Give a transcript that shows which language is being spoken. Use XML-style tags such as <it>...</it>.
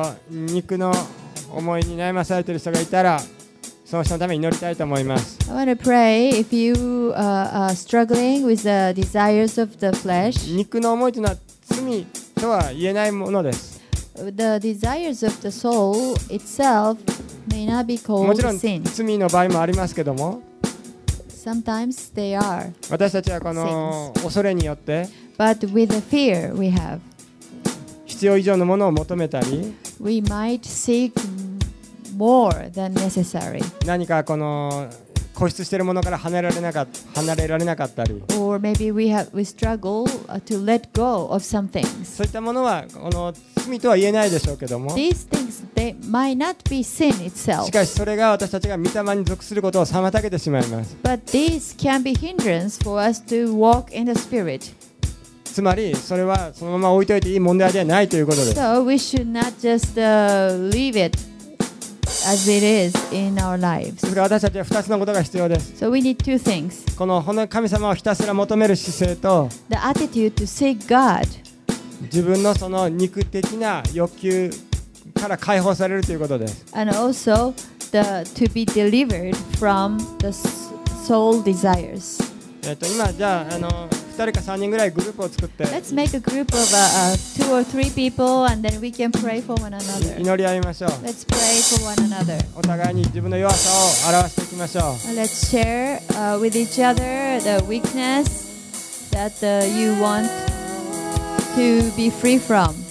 <ja>肉の思いに悩まされている人がいたら、その人のために祈りたいと思います。</ja> <en>I want to pray if you are struggling with the desires of the flesh.</en> <ja>肉の思いというのは罪とは言えないものです。</ja> <en>The desires of the soul itself may not be called sin.</en> <ja>もちろん罪の場合もありますけども。</ja> <en>Sometimes they are.</en> <ja>私たちはこの恐れによって。</ja> <en>But with the fear we have.</en> <ja>必要以上のものを求めたり、</ja> <en>We might seek more than necessary.</en> <ja>何かこの固執しているものから離れられなかったり、</ja> <en>Or maybe we struggle to let go of some things.</en> <ja>そういったものはこの罪とは言えないでしょうけども、</ja> <en>These things they might not be sin itself.</en> <ja>しかしそれが私たちが御霊に属することを妨げてしまいます。</ja> <en>But these can be hindrance for us to walk in the Spirit.</en> <ja>つまりそれはそのまま置いといていい問題ではないということです。</ja> <en>So we should not just leave it as it is in our lives.</en> <ja>ですから私たちは2つのことが必要です。</ja> <en>So we need two things.</en> <ja>この神様をひたすら求める姿勢と、</ja> <en>The attitude to seek God.</en> <ja>自分のその肉的な欲求から解放されるということです。</ja> <en>And also the to be delivered from the soul desires.</en> <ja>今じゃあ人か3人ぐらいグループを作って</ja> <en>Let's make a group of two or three people and then we can pray for one another.</en> <ja>祈り合いましょう</ja> <en>Let's pray for one another.</en> <ja>お互いに自分の弱さを表していきましょう</ja> <en>Let's share with each other the weakness that you want to be free from.</en>